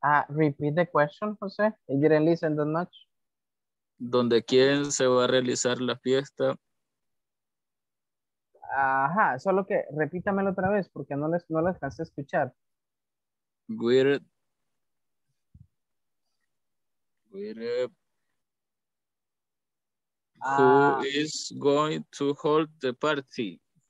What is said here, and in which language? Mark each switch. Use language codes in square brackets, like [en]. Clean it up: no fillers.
[en] Repeat the question, Jose, you didn't listen that much. [es] ¿Dónde quién se va a realizar la fiesta? Ajá, solo que repítamelo otra vez porque no les alcancé a escuchar. [en] Where who is going to hold the party?